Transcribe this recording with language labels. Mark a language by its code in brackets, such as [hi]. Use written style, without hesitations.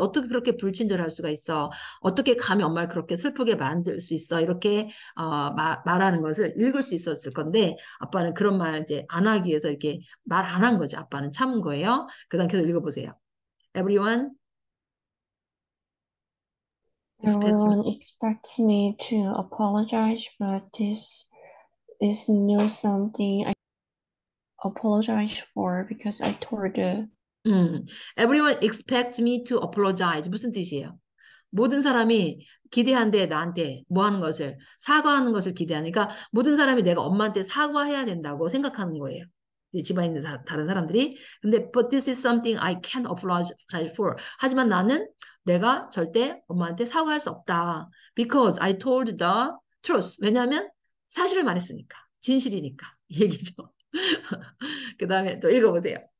[ko] 어떻게 그렇게 불친절할 수가 있어? 어떻게 감히 엄마를 그렇게 슬프게 만들 수 있어? 이렇게 말하는 것을 읽을 수 있었을 건데 아빠는 그런 말 이제 안 하기 위해서 이렇게 말안한 거죠. 아빠는 참은 거예요. 그다음 계속 읽어보세요. [en] Everyone. Expects me. Everyone expects me to apologize, but this is new something I apologize for because I told the Everyone expects me to apologize. [ko] 무슨 뜻이에요? 모든 사람이 기대한대, 나한테 뭐 하는 것을 사과하는 것을 기대하니까 모든 사람이 내가 엄마한테 사과해야 된다고 생각하는 거예요. 집안에 있는 다른 사람들이. [en] 근데 but this is something I can't apologize for. [ko] 하지만 나는 내가 절대 엄마한테 사과할 수 없다. [en] Because I told the truth. [ko] 왜냐하면 사실을 말했으니까. 진실이니까. 얘기죠. 그 다음에 또 읽어보세요.